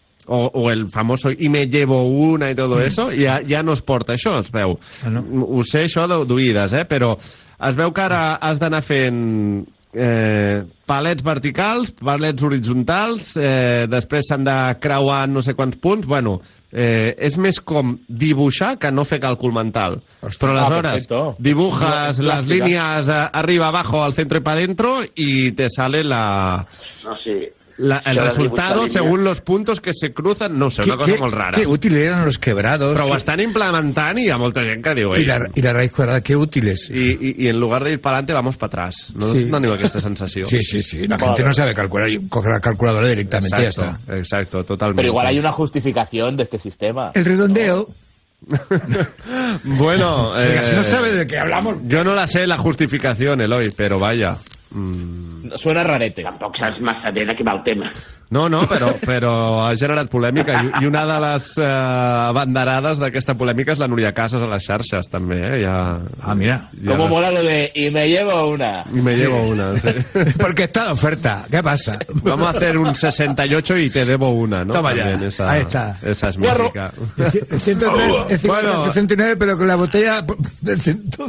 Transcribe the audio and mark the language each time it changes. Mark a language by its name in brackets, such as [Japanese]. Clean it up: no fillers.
[Spanish] O el famoso y me llevo una y todo eso, [Catalan] ja no es porta això, es veu. Ah, no? Ho sé això d'oïdes, però... Es veu que ara has d'anar fent palets verticals, palets horitzontals, després s'han de creuar no sé quants punts. Bueno, és més com dibuixar que no fer càlcul mental. Ostres, però aleshores [Spanish] dibujas [Catalan] les línies [Spanish] arriba, abajo, al centro y para dentro y te sale la... No, sí. El resultado según los puntos que se cruzan, no sé, una cosa [Catalan] molt rara. [Spanish] Qué útil eran los quebrados. [Catalan] Però ho estan implementant i hi ha molta gent que diu... [Spanish] I la raíz quadrada, qué útiles. I en lugar de ir para adelante, vamos para atrás. [Catalan] No teniu aquesta sensació. Sí. [Spanish] La gente no sabe calcular, coge la calculadora directamente y ya está. Exacto, totalmente. Pero igual hay una justificación de este sistema. El redondeo. Bueno, si no sabe de qué hablamos. Yo no la sé la justificación, Eloi, pero vaya. Suena rarete. [Catalan] Tampoc saps massa bé de què va el tema. No, però ha generat polèmica. I una de les banderades d'aquesta polèmica és la Núria Casas a les xarxes, també. Mira. Ja... [Spanish] Como mola lo de y me llevo una. Y me llevo una, sí. Porque está de oferta. ¿Qué pasa? Vamos a hacer un 68 y te debo una, ¿no? Toma ya. Ahí está. Esa es música. El 103, el 69, bueno. Pero con la botella del 100...